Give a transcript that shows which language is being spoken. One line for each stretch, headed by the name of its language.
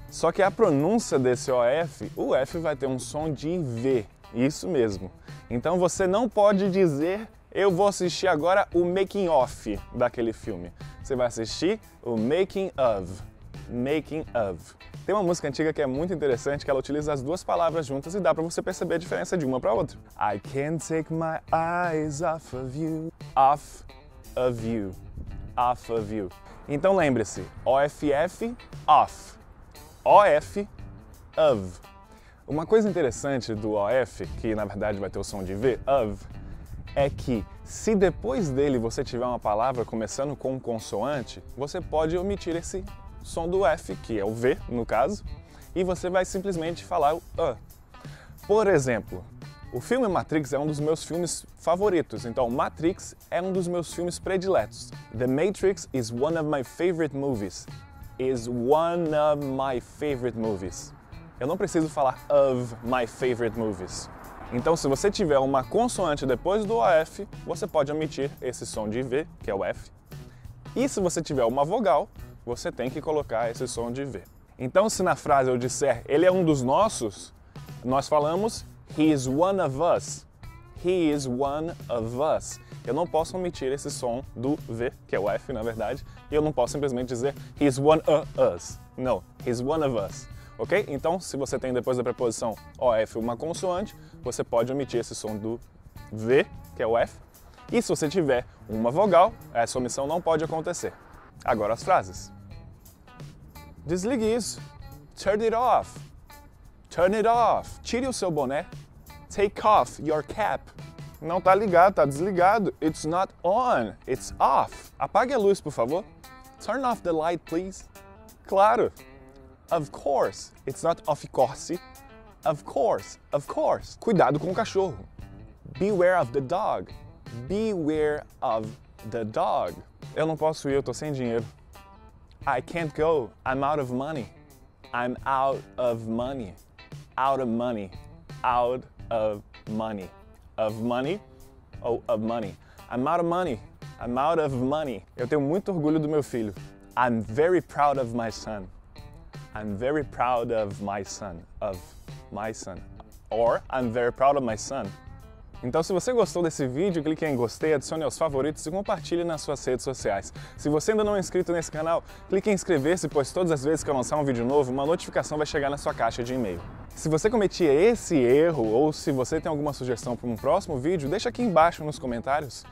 Portuguese: Só que a pronúncia desse OF, o F vai ter um som de V. Isso mesmo. Então você não pode dizer, eu vou assistir agora o making of daquele filme. Você vai assistir o making of. Making of. Tem uma música antiga que é muito interessante, que ela utiliza as duas palavras juntas e dá pra você perceber a diferença de uma pra outra.
English: I can't take my eyes off of you. Off of you. Off of you.
Portuguese: Então lembre-se,
English: OFF, off. OF, of.
Portuguese: Uma coisa interessante do OF, que na verdade vai ter o som de V, of, é que se depois dele você tiver uma palavra começando com um consoante, você pode omitir esse som do F, que é o V, no caso, e você vai simplesmente falar o A. Por exemplo, o filme Matrix é um dos meus filmes favoritos, então Matrix é um dos meus filmes prediletos.
English: The Matrix is one of my favorite movies. Is one of my favorite movies.
Portuguese: Eu não preciso falar
English: of my favorite movies.
Portuguese: Então, se você tiver uma consoante depois do OF, você pode omitir esse som de V, que é o F. E se você tiver uma vogal, você tem que colocar esse som de V. Então, se na frase eu disser ele é um dos nossos, nós falamos
English: he is one of us. He is one of us.
Portuguese: Eu não posso omitir esse som do V, que é o F, na verdade. E eu não posso simplesmente dizer
English: he's one of us.
Portuguese: Não,
English: he's one of us. Ok?
Portuguese: Então, se você tem depois da preposição OF uma consoante, você pode omitir esse som do V, que é o F. E se você tiver uma vogal, essa omissão não pode acontecer. Agora as frases. Desligue isso.
English: Turn it off. Turn it off.
Portuguese: Tire o seu boné.
English: Take off your cap.
Portuguese: Não tá ligado, tá desligado.
English: It's not on, it's off.
Portuguese: Apague a luz, por favor.
English: Turn off the light, please.
Portuguese: Claro.
English: Of course, it's not of course. Of course, of course.
Portuguese: Cuidado com o cachorro.
English: Beware of the dog. Beware of the dog.
Portuguese: Eu não posso ir, eu tô sem dinheiro.
English: I can't go, I'm out of money. I'm out of money. Out of money. Out of money. Of money, ou of money. I'm out of money. I'm out of money.
Portuguese: Eu tenho muito orgulho do meu filho.
English: I'm very proud of my son. I'm very proud of my son. Of my son. Or, I'm very proud of my son.
Portuguese: Então, se você gostou desse vídeo, clique em gostei, adicione aos favoritos e compartilhe nas suas redes sociais. Se você ainda não é inscrito nesse canal, clique em inscrever-se, pois todas as vezes que eu lançar um vídeo novo, uma notificação vai chegar na sua caixa de e-mail. Se você cometia esse erro ou se você tem alguma sugestão para um próximo vídeo, deixa aqui embaixo nos comentários.